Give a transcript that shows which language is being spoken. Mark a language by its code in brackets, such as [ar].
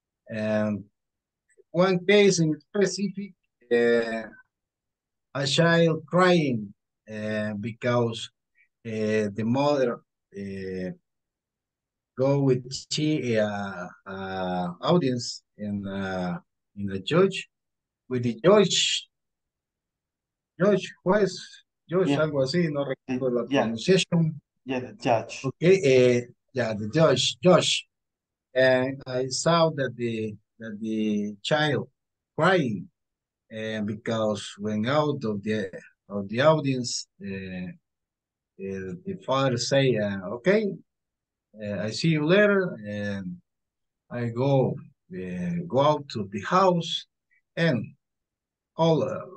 [en] And one case in specific, a child crying because the mother go with the audience in the judge, with the judge. Judge, yeah. [es] Algo así, no recuerdo la pronunciación. [en] Yeah, the judge. Okay, the judge, Josh. And I saw that the child crying, because when out of the audience, the father say, okay, I see you later, and I go out to the house, and all.